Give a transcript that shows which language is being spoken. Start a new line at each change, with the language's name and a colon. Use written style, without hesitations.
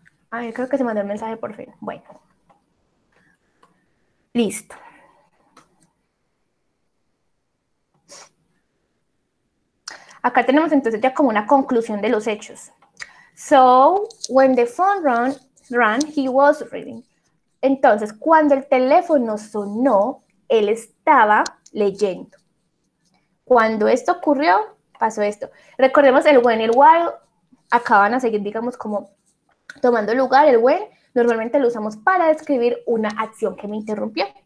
Spanish: Ay, creo que se mandó el mensaje por fin. Bueno. Listo. Acá tenemos entonces ya como una conclusión de los hechos.
English: So, when the phone rang, he was reading.
Spanish: Entonces, cuando el teléfono sonó, él estaba leyendo. Cuando esto ocurrió, pasó esto. Recordemos el when y el while acaban a seguir, digamos, como tomando lugar. El when normalmente lo usamos para describir una acción que me interrumpió.